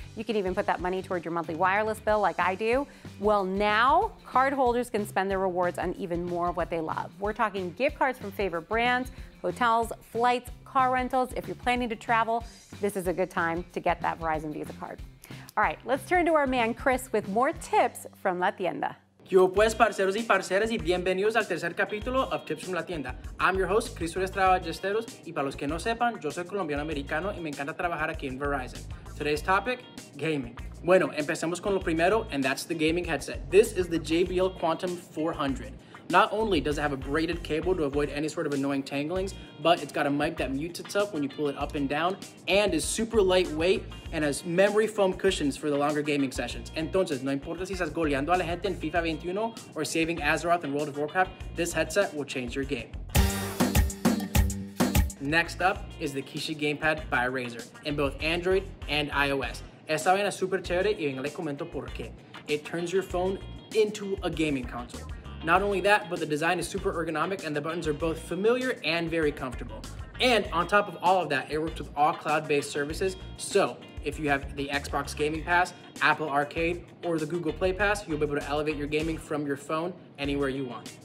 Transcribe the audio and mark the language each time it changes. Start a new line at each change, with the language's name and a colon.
English: You can even put that money toward your monthly wireless bill like I do. Well, now cardholders can spend their rewards on even more of what they love. We're talking gift cards from favorite brands, hotels, flights, car rentals. If you're planning to travel, this is a good time to get that Verizon Visa card. All right, let's turn to our man Chris with more tips from La Tienda.
Spanish: Yo pues, parceros y parceras, y bienvenidos al tercer capítulo of Tips from La Tienda.
English: I'm your host,
Spanish: Chris Estrada Ballesteros, y para los que no sepan, yo soy colombiano-americano y me encanta trabajar aquí en Verizon.
English: Today's topic, gaming.
Spanish: Bueno, empecemos con lo primero,
English: and that's the gaming headset. This is the JBL Quantum 400. Not only does it have a braided cable to avoid any sort of annoying tanglings, but it's got a mic that mutes itself when you pull it up and down, and is super lightweight, and has memory foam cushions for the longer gaming sessions.
Spanish: Entonces, no importa si estás goleando a la gente en FIFA 21
English: or saving Azeroth in World of Warcraft, this headset will change your game. Next up is the Kishi Gamepad by Razer in both Android and iOS.
Spanish: Esta vaina es super chévere y venga le comento por qué.
English: It turns your phone into a gaming console. Not only that, but the design is super ergonomic and the buttons are both familiar and very comfortable. And on top of all of that, it works with all cloud-based services. So if you have the Xbox Gaming Pass, Apple Arcade, or the Google Play Pass, you'll be able to elevate your gaming from your phone anywhere you want.